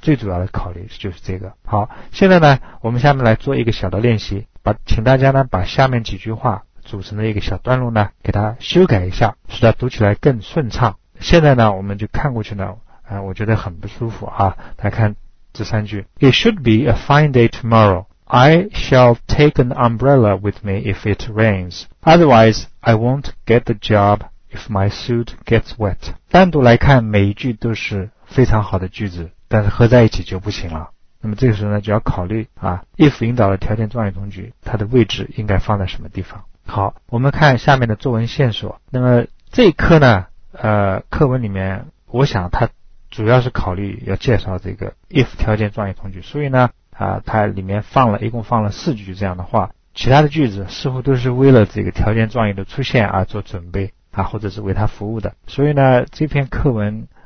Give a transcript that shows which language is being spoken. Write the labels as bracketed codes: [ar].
[zh] 最主要的考虑就是这个。好，现在呢我们下面来做一个小的练习，请大家呢把下面几句话组成的一个小段落呢给它修改一下，使它读起来更顺畅。现在呢我们就看过去呢我觉得很不舒服啊。来看这三句。 [en] It should be a fine day tomorrow. I shall take an umbrella with me if it rains. Otherwise, I won't get the job if my suit gets wet. [zh] 单独来看每一句都是非常好的句子，但是合在一起就不行了。那么这个时候呢就要考虑啊 ,if 引导的条件状语从句它的位置应该放在什么地方。好，我们看下面的作文线索。那么这一课呢课文里面我想它主要是考虑要介绍这个 if 条件状语从句，所以呢它里面一共放了四句这样的话，其他的句子似乎都是为了这个条件状语的出现而做准备啊，或者是为它服务的。所以呢这篇课文